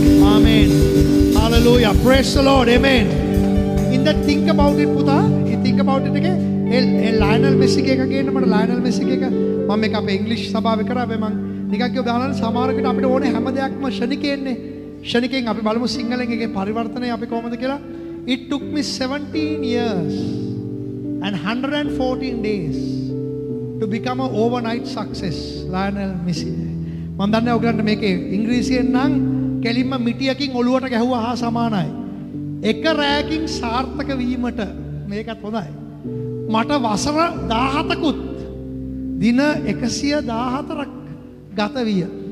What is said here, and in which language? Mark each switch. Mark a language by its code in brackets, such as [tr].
[si] Amen. Hallelujah. [en] Praise the Lord. [si] Amen. In the [en] think about it [si] පුතා. ඒ think about it එකේ L Lionel මෙසික එක ගේන්න. මට Lionel මෙසික එක මම මේක අපේ ඉංග්‍රීසි සභාවේ කරා. මේ මං නිකන් කියව බහලන සමාරකට අපිට ඕනේ හැම දෙයක්ම ෂණිකේන්නේ. ෂණිකෙන් අපි බලමු සිංහලෙන් එකේ පරිවර්තනය අපි කොහොමද කියලා. [en] It took me 17 years and 114 days to become an overnight success. Lionel Messi. [si] මම දන්නේ ඔයගලන්ට මේකේ ඉංග්‍රීසියෙන් නම් කෙලින්ම මිටියකින් ඔලුවට ගැහුවා හා සමානයි. එක රැයකින් සාර්ථක වීමට මේකත් හොඳයි. මට වසර 17කුත් දින 114ක් ගත විය.